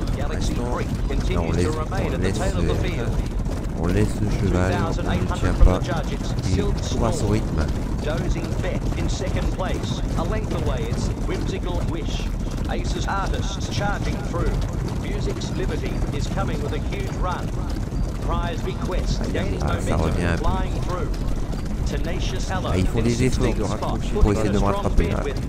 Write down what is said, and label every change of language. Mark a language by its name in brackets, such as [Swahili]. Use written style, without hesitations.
[English] Galaxy Creek continues to remain at the tail of the field. [French] On laisse le cheval, on ne tient pas, il court à son rythme. [English] Dozing Bet in second place. A length away, it's Whimsical Wish. Aces Artists charging through. Music's Liberty is coming with a huge run. Prize Bequest gains momentum flying through. [French] Ah, ils font des efforts de raccourci pour essayer de me rattraper. Là.